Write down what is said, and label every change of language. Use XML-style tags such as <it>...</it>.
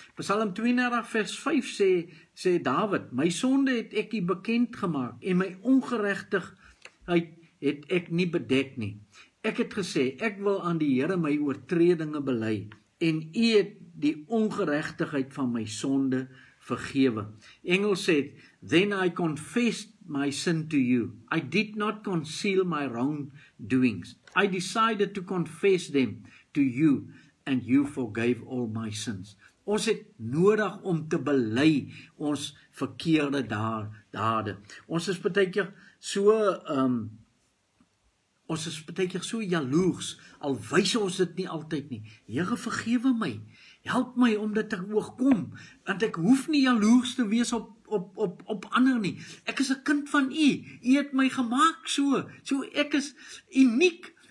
<af>Psalm 32 vers 5 sê David, my sonde het ek nie bekend gemaak en my ongeregtigheid het ek nie bedek nie. Ek het gesê, ek wil aan die Here my oortredinge bely en U het die ongeregtigheid van my sonde vergewe. Engels sê,</af> <en>then I confessed my sin to you. I did not conceal my wrong doings. I decided to confess them to you and you forgave all my sins.</en> <af>Ons het nodig om te bely ons verkeerde dade. Ons is baie keer so jaloers, al wys ons dit nie altyd nie. Here vergewe my. Help my om dit te oorkom, want ek hoef nie jaloers te wees op ander nie. Ek is 'n kind van U. U het my gemaak so. So ek is uniek.</af>